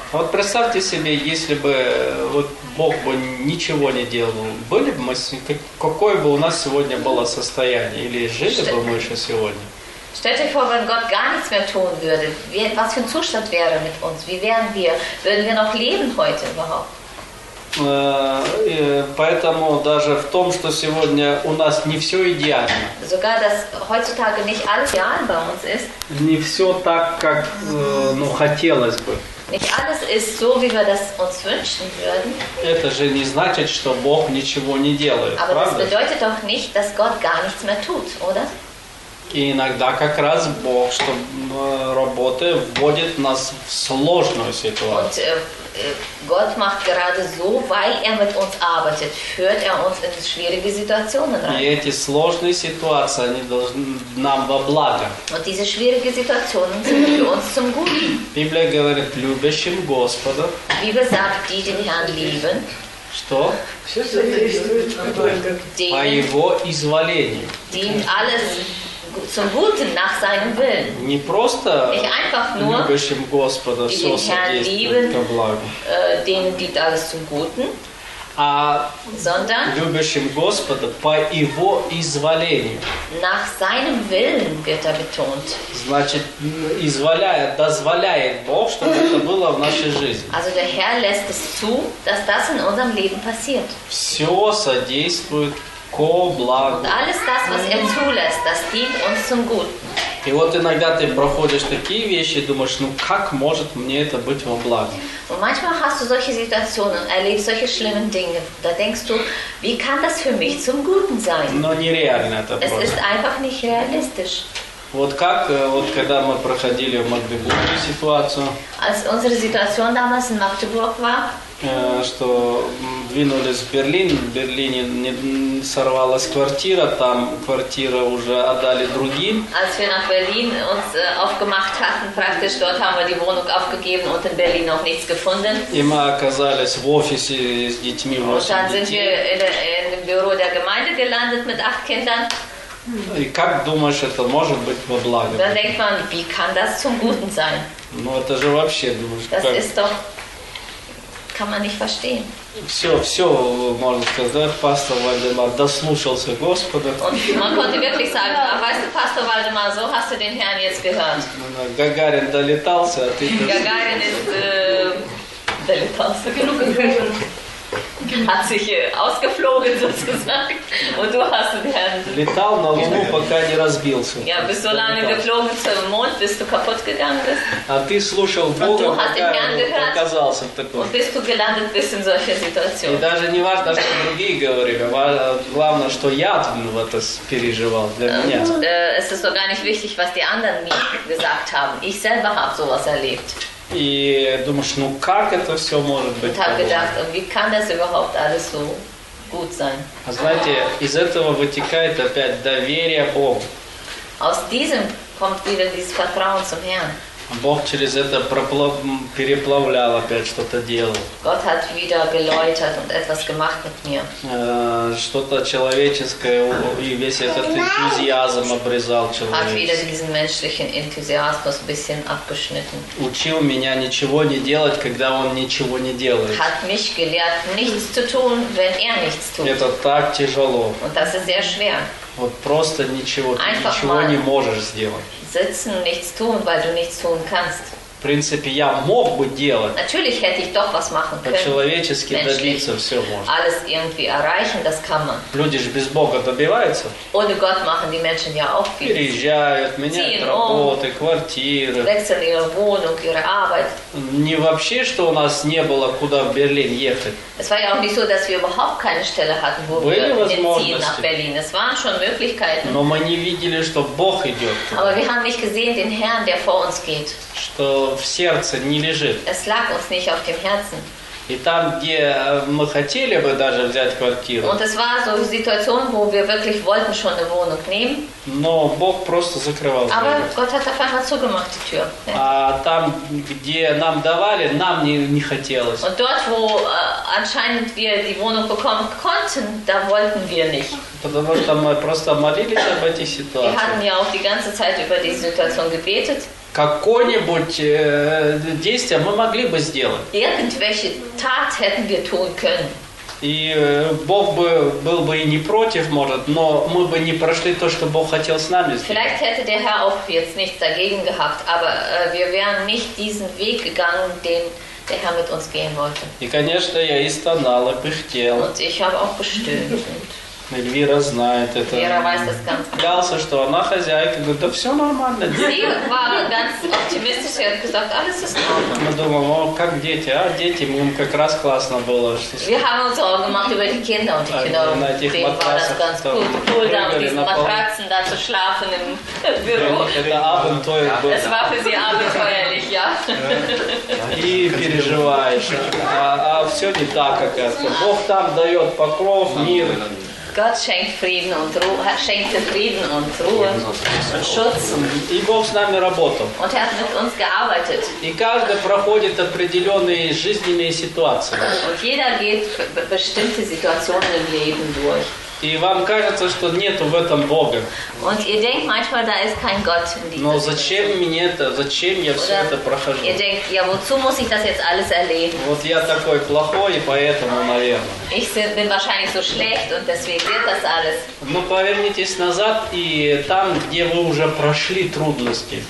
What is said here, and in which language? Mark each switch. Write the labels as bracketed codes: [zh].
[ru] Вот представьте себе, если бы вот Бог бы ничего не делал, были бы мы, какое бы у нас сегодня было состояние, или жили бы мы еще сегодня? [de] Stellt euch vor, wenn Gott gar nichts mehr tun würde, was für ein Zustand wäre mit uns? Wie wären wir? Würden wir noch leben heute überhaupt? [ru] Поэтому даже в том, что сегодня у нас не все идеально. [de] Sogar, dass heutzutage nicht alles ideal bei uns ist. [ru] Не все так, как ну, хотелось бы. [de] Nicht alles ist so, wie wir das uns wünschen würden. [ru] Это же не значит, что Бог ничего не делает, [de] Aber [ru] правда? [de] Das bedeutet doch nicht, dass Gott gar nichts mehr tut, oder? [ru] И иногда как раз Бог, что работает, вводит нас в сложную ситуацию. [de] Gott macht gerade so, weil mit uns arbeitet, führt uns in schwierige Situationen rein. [ru] И эти сложные ситуации, они должны нам во благо. [de] Und diese schwierigen Situationen sind für uns zum Guten. [ru] Библия говорит, любящим Господа. [de] Bibel sagt, die den Herrn lieben. [ru] Что? Все действует только. По его изволению. [de] Die alles zum Guten nach seinem Willen. [ru] Не просто [de] nicht einfach nur [ru] любящим Господа все содействует ко благу. [de] Denen geht alles zum Guten. [ru] А [de] sondern [ru] любящим Господа по его изволению. [de] Nach seinem Willen wird betont. [ru] Значит, изволяет, дозволяет Бог, чтобы это было в нашей жизни. [de] Also der Herr lässt es zu, dass das in unserem Leben passiert. [ru] Все содействует ко благу. [de] Alles das, was zulässt, das dient uns zum Guten. [ru] И вот иногда ты проходишь такие вещи, думаешь, ну как может мне это быть во благо? [de] Und manchmal hast du solche Situationen, erlebst solche schlimmen Dinge. Da denkst du, wie kann das für mich zum Guten sein? [ru] Но нереально это. [de] Es ist einfach nicht realistisch. [ru] Вот как, вот когда мы проходили в Магдебурге ситуацию. [de] Als unsere Situation damals in Magdeburg war. [ru] Что двинулись в Берлин, в Берлине не сорвалась квартира, там квартира уже отдали другим. [de] Als wir nach Berlin uns aufgemacht hatten, praktisch dort haben wir die Wohnung aufgegeben und in Berlin noch nichts gefunden. [ru] И мы оказались в офисе с детьми. [de] Und dann sind wir in dem Büro der Gemeinde gelandet mit 8 Kindern. [ru] И как думаешь, это может быть во благо? [de] Dann denkt man, wie kann das zum Guten sein? [ru] Ну это же вообще, думаешь, [de] das как? Das ist doch kann man nicht verstehen. [ru] Все, все, можно сказать, пастор Вальдемар дослушался Господа. [de] Man konnte wirklich sagen, weißt du, Pastor Waldemar, so hast du den Herrn jetzt gehört. [ru] Гагарин долетался, а ты... [de] Гагарин ist... [ru] долетался. [de] hat sich ausgeflogen sozusagen. Und du hast den... [ru] Летал на Луну, пока не разбился. [de] Ja, bist so lange geflogen zum Mond, bis du kaputt gegangen bist. [ru] А ты слушал Бога, пока он оказался в таком. [de] Und bist du gelandet bist in solcher Situation. [ru] И даже не важно, что другие говорили, главное, что я [de] das [ru] переживал для меня. [de] Es ist so gar nicht wichtig, was die anderen mir gesagt haben. Ich selber habe sowas erlebt. [ru] И думаешь, ну как это все может быть? [de] Ich habe gedacht, wie kann das überhaupt alles so gut sein? [ru] А знаете, из этого вытекает опять доверие Богу. [de] Aus diesem kommt wieder dieses Vertrauen zum Herrn. [ru] Бог через это переплавлял опять, что-то делал. [de] Gott hat wieder geläutert und etwas gemacht mit mir. [ru] Что-то человеческое и весь этот энтузиазм обрезал человеческий. [de] Hat wieder diesen menschlichen Enthusiasmus ein bisschen abgeschnitten. [ru] Учил меня ничего не делать, когда он ничего не делает. [de] Hat mich gelehrt, nichts zu tun, wenn nichts tut. [ru] Это так тяжело. [de] Und das ist sehr schwer. [ru] Вот просто ничего, [de] einfach [ru] ничего не можешь сделать. [de] Sitzen, nichts tun, weil du nichts tun kannst. [ru] В принципе, я мог бы делать. [de] Natürlich hätte ich doch was machen können. [ru] По-человечески добиться все можно. [de] Alles irgendwie erreichen, das kann man. [ru] Люди же без Бога добиваются. [de] Ohne Gott machen die Menschen ja auch viel. [ru] Переезжают, меняют работы, квартиры. [de] Wechseln ihre Wohnung, ihre Arbeit. [ru] Не вообще, что у нас не было куда в Берлин ехать. [de] Es war ja auch nicht so, dass wir überhaupt keine Stelle hatten, wo [ru] были [de] wir ziehen nach Berlin. Es waren schon Möglichkeiten. [ru] Но мы не видели, что Бог идет. [de] Aber wir haben nicht gesehen den Herrn, der vor uns geht. [ru] Что в сердце не лежит. [de] Es lag uns nicht auf dem Herzen. [ru] И там, где мы хотели бы даже взять квартиру. [de] Und es war so eine Situation, wo wir wirklich wollten schon eine Wohnung nehmen. [ru] Но Бог просто закрывал дверь. [de] Aber Gott hat auf einmal zugemacht die Tür. [ru] А там, где нам давали, нам не хотелось. [de] Und dort, wo anscheinend wir die Wohnung bekommen konnten, da wollten wir nicht. [ru] Потому что мы просто молились об этих ситуациях. [de] Wir hatten ja auch die ganze Zeit über diese Situation gebetet. [ru] Какое-нибудь действие мы могли бы сделать. [de] Irgendwelche Tat hätten wir tun können. [ru] И Бог бы был бы и не против, может, но мы бы не прошли то, что Бог хотел с нами сделать. [de] Vielleicht hätte der Herr auch jetzt nichts dagegen gehabt, aber wir wären nicht diesen Weg gegangen, den der Herr mit uns gehen wollte. [ru] И, конечно, я и стонал, и пыхтел. [de] Und ich habe auch gestöhnt. [ru] Эльвира знает это. [de] Вера weiß das ganz. [ru] Клялся, что она хозяйка. Говорит, да все нормально. [de] Sie war ganz optimistisch. [ru] Я [de] gesagt, alles ist normal. [ru] Мы думаем, о, как дети. А дети, им как раз классно было. [de] Wir haben uns auch gemacht über die Kinder. Und die Kinder, [ru] на этих матрасах. [de] War das ganz cool, da mit diesen Matratzen da zu schlafen im Büro. [ru] Это Abenteuer было. [de] Es war für sie abenteuerlich, ja. [ru] И переживаешь. А все не так, оказывается. Бог там дает покров, мир. [de] Gott schenkt Frieden und Ruhe, schenkte Frieden und Ruhe und Schutz. [ru] И Бог с нами работал. [de] Und hat mit uns gearbeitet. [ru] И каждый проходит определенные жизненные ситуации. [de] Und jeder geht bestimmte Situationen im Leben durch. [ru] И вам кажется, что нету в этом Бога. [de] Und ihr denkt manchmal, da ist kein Gott in dieser. [ru] Но зачем мне это? Зачем я все это прохожу? [de] Ihr denkt, ja, wozu muss ich das jetzt alles erleben? [ru] Вот я такой плохой, и поэтому, наверное. [de] Ich bin wahrscheinlich so schlecht und deswegen wird das alles. [ru] Но повернитесь назад и там, где вы уже прошли трудности.